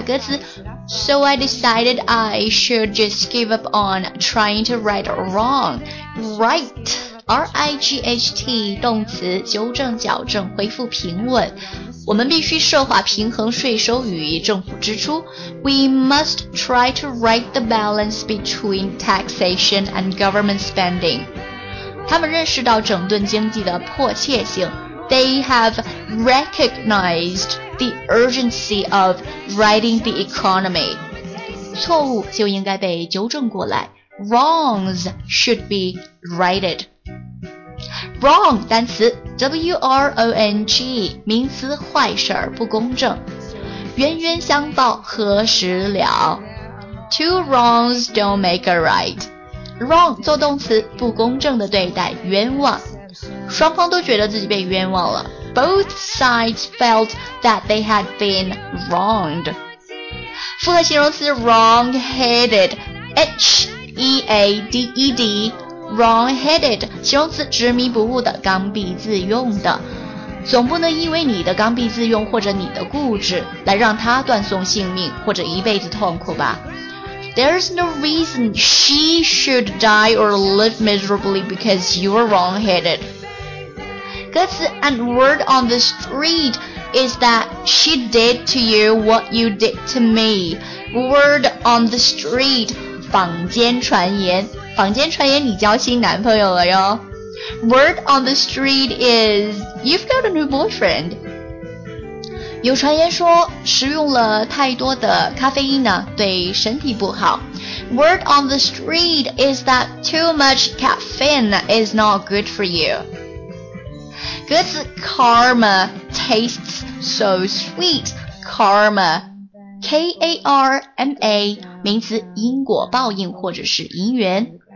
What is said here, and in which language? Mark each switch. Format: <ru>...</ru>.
<zh>歌词</zh> <en>So I decided I should just give up on trying to right or wrong RightRIGHT</en> <zh>动词，纠正矫正，恢复平稳。我们必须设法平衡税收与政府支出。</zh> <en>We must try to right the balance between taxation and government spending.</en> <zh>他们认识到整顿经济的迫切性。</zh> <en>They have recognized the urgency of righting the economy.</en> <zh>错误就应该被纠正过来。</zh> <en>Wrongs should be righted. Wrong 单词 W-R-O-N-G</en> <zh>名词坏事不公正冤冤相报何时了</zh> <en>Two wrongs don't make a right Wrong</en> <zh>做动词不公正的对待冤枉双方都觉得自己被冤枉了</zh> <en>Both sides felt that they had been wronged</en> <zh>复合形容词 wrong-headed H-E-A-D-E-DWrong-headed 形容词执迷不悟的刚愎自用的总不能因为你的刚愎自用或者你的固执来让他断送性命或者一辈子痛苦吧。</zh> <en>There's no reason she should die or live miserably because you're wrong-headed.</en> <zh>歌词</zh> <en>and word on the street is that she did to you what you did to me. Word on the street,</en> <zh>坊间传言。坊间传言你交新男朋友了哟。</zh> <en>Word on the street is you've got a new boyfriend.</en> <zh>有传言说食用了太多的咖啡因呢对身体不好。</zh> <en>Word on the street is that too much caffeine is not good for you.</en> <zh>歌词</zh> <en>karma tastes so sweet.</en> <zh>Karma, K-A-R-M-A, 名词因果报应或者是因缘。</zh>